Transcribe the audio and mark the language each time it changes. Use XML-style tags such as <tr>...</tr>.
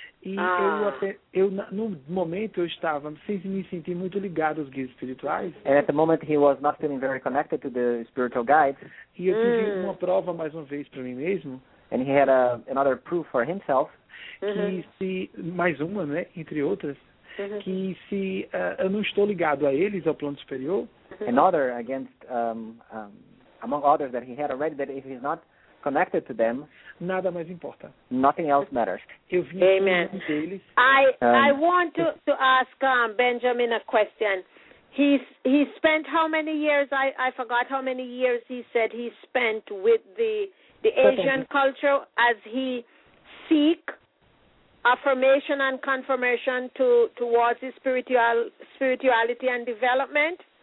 <pt>No momento eu estava sem me sentir muito ligado aos guias espirituais.</pt> <en>And at the moment he was not feeling very connected to the spiritual guides.</en> <pt>E eu tive uma prova mais uma vez para mim mesmo.</pt> <en>And he had another proof for himself.</en> <pt>Que se mais uma, né, entre outras. Que se eu não estou ligado a eles, ao plano superior.</pt> <en>Another against, among others that he had already, that if he's not connected to them,</en> <pt>nada mais importa.</pt> <en>Nothing else matters.</en> <pt>Eu vim</pt> <en>Amen.</en> <pt>Deles.</pt> <en>I want to ask Benjamin a question. He spent how many years, I forgot how many years he said he spent with the Asian culture as he seek affirmation and confirmation towards his spirituality and development.</en>